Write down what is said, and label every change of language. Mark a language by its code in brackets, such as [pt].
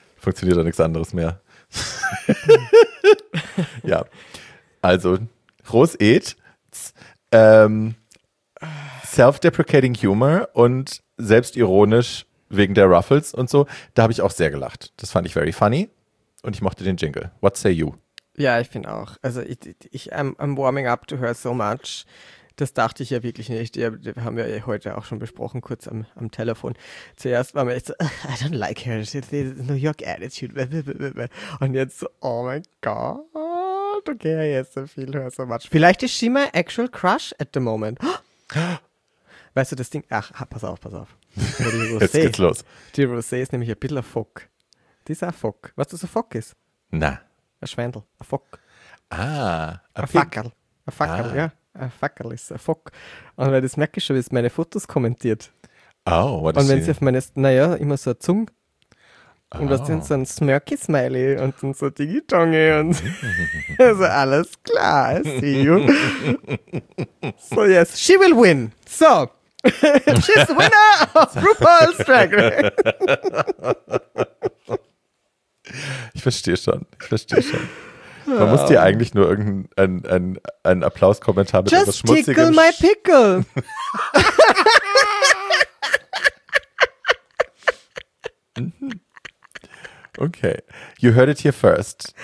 [de] Funktioniert doch nichts anderes mehr. Ja. Also, Groß Ed, self-deprecating humor und selbstironisch wegen der Ruffles und so. Da habe ich auch sehr gelacht. Das fand ich [en] very funny [de] und ich mochte den Jingle. [en] What say you? [de] Ja, ich finde auch. [en] Also, I'm warming up to her so much. [de] Das dachte ich ja wirklich nicht. Die haben wir ja heute auch schon besprochen, kurz am Telefon. Zuerst war mir echt so, [en] I don't like her. It's the New York attitude. [de] Und jetzt so, oh mein Gott. Okay, jetzt so viel, [en] her so much. [de] Vielleicht ist [en] she my actual crush at the moment. [de] Weißt du, das Ding, ach, pass auf. Jetzt geht's los. Die Rosé ist nämlich ein bisschen ein Fock. Die ist ein Fock. Weißt du, was ein Fock ist? Na. Ein Schwendel, ein Fock. Ah. Ein Fackel. Ein Fackel, ja. Ein Fackel ist ein Fock. Und weil das merke ich schon, wie es meine Fotos kommentiert. [en] Oh, what [de] is und wenn sie auf meine, naja, immer so eine Zunge. Und was sind so ein Smirky-Smiley und dann so Digitonge und so, alles klar, [en] I see you. So, yes, she will win. So, she's the winner of RuPaul's Drag Race. [de] Ich verstehe schon. Man muss dir eigentlich nur irgendeinen ein Applaus-Kommentar mit etwas Schmutzigem. [en] Just tickle my pickle. Okay. You heard it here first.